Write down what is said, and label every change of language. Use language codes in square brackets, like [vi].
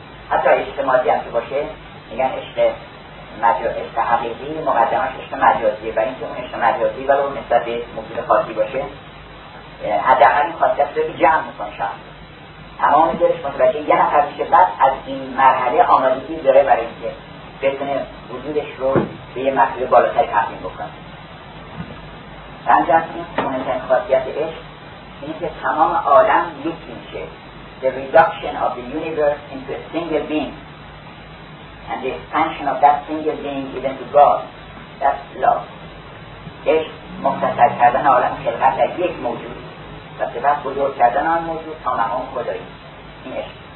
[fa] حتی عشق مادی هم که باشه میگن عشق مجازی، عشق حقیقی مقدمش عشق مجازیه، و اینکه اون عشق مجازی ولو نسبت به موجود خاصی باشه حداقل این خاصیت رو جمع میکنه شخص، تمام دلش متوجه یه نفر میشه، بعد از این مرحله آمادگی داره برای اینکه بتونه وجودش رو به یه مرحله بالاتر تقدیم بکنه. رنجه از این مهمترین خاصیت عشق اینه که تمام عالم یکی میشه، [en] the reduction of the universe into a single being and the expansion of that single being even to God, that's love. [fa] عشق مختصر کردن عالم خلقت در یک موجود و سپس بزرگ کردن آن موجود تا مقام خدایی، این عشق.